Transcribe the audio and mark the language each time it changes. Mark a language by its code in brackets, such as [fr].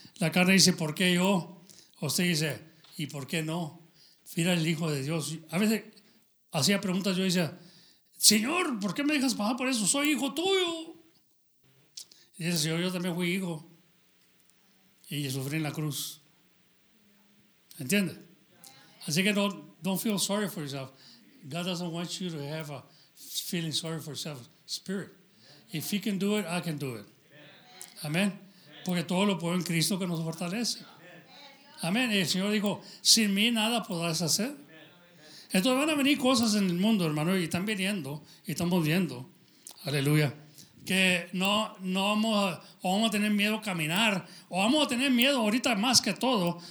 [es] La carne dice, ¿por qué yo? Usted dice, ¿y por qué no? Mira el Hijo de Dios. A veces hacía preguntas, yo decía, Señor, ¿por qué me dejas pasar por eso? Soy hijo tuyo. Y dice, Señor, yo también fui hijo. Y sufrí en la cruz. ¿Entiende? Así que [en] don't feel sorry for yourself. God doesn't want you to have a feeling sorry for yourself. Spirit. If he can do it, I can do it. Amén. [es] Porque todo lo puedo en Cristo que nos fortalece. Amén. Y el Señor dijo, sin mí nada podrás hacer. Entonces van a venir cosas en el mundo, hermano, y están viniendo, y estamos viendo, aleluya, que no vamos a tener miedo a caminar, o vamos a tener miedo ahorita más que todo.